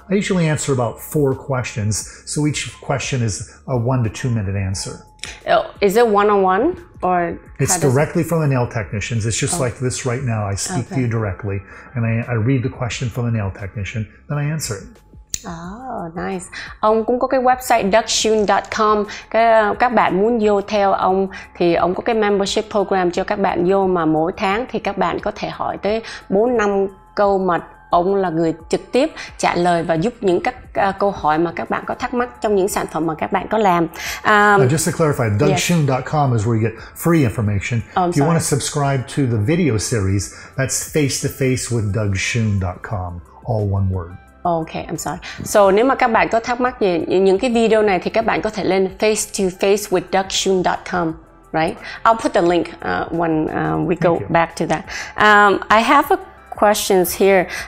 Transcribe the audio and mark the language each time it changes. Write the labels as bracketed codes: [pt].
[en] I usually answer about 4 questions. So each question is a 1 to 2 minute answer. Is it one-on-one or? It's directly from the nail technicians. It's just like this right now. I speak to you directly, and I read the question from the nail technician, then I answer it. Oh, nice. [vi] Ông cũng có cái website duckshun.com. Các bạn muốn vô theo ông thì ông có cái membership program cho các bạn vô, mà mỗi tháng thì các bạn có thể hỏi tới 4-5 câu mà ông là người trực tiếp trả lời và giúp những các câu hỏi mà các bạn có thắc mắc trong những sản phẩm mà các bạn có làm. [en] Just to clarify, duckshun.com is where you get free information. If you want to subscribe to the video series, that's face-to-face with duckshun.com, all one word. Okay, I'm sorry. [vi] So nếu mà các bạn có thắc mắc về những cái video này thì các bạn có thể lên face-to-face-with-duckshun.com, [en] right? I'll put the link when we go back to that. I have a questions here.